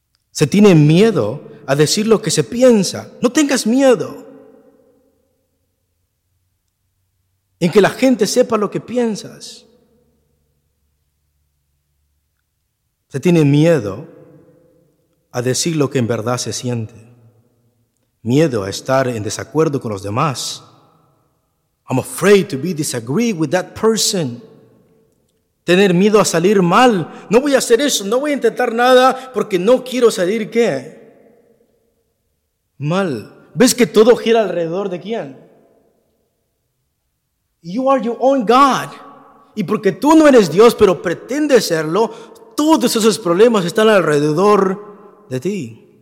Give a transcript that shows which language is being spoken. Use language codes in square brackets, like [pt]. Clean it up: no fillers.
[es] Se tiene miedo a decir lo que se piensa. No tengas miedo en que la gente sepa lo que piensas. Se tiene miedo a decir lo que en verdad se siente. Miedo a estar en desacuerdo con los demás. [en] I'm afraid to be disagree with that person. [es] Tener miedo a salir mal. No voy a hacer eso, no voy a intentar nada porque no quiero salir ¿qué? Mal. ¿Ves que todo gira alrededor de quién? [en] You are your own God. [es] Y porque tú no eres Dios, pero pretendes serlo, todos esos problemas están alrededor de ti.